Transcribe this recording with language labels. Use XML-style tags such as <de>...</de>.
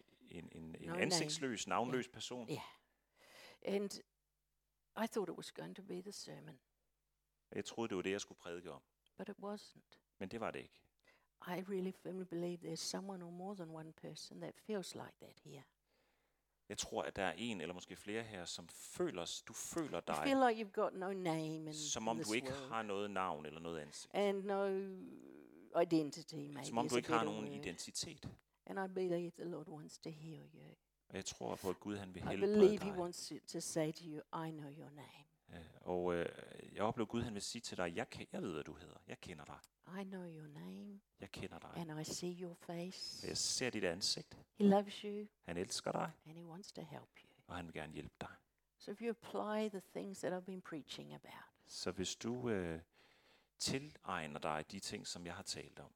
<da>En ansigtsløs, navnløs person.</da> <en>Yeah. And I thought it was going to be the sermon.</en> <da>Jeg troede det var det jeg skulle prædike om.</da> <en>But it wasn't.</en> <da>Men det var det ikke.</da> <en>I really firmly believe there's someone or more than one person that feels like that here.</en> <da>Jeg tror at der er en eller måske flere her som føler dig.</da> <en>You feel like you've got no name in</en> <da>som om</da> <en>in</en> <da>du ikke</da> <en>world.</en> <da>Har noget navn eller noget ansigt.</da> <en>And no identity maybe.</en> <da>Som om du ikke har nogen identitet.</da> <en>And I believe the Lord wants to heal you.</en> <da>Jeg tror på at Gud han vil helbrede dig.</da> <en>I believe he wants to say to you, I know your name.</en> <da>Og jeg oplever Gud han vil sige til dig, jeg ved hvad du hedder, jeg kender dig.</da> <en>I know your name.</en> <da>Jeg kender dig.</da> <en>And I see your face.</en> <da>Jeg ser dit ansigt.</da> <en>He loves you.</en> <da>Han elsker dig.</da> <en>And he wants to help you.</en> <da>Og han vil gerne hjælpe dig.</da> <en>So if you apply the things that I've been preaching about.</en> <da>Så hvis du tilegner dig de ting som jeg har talt om.</da>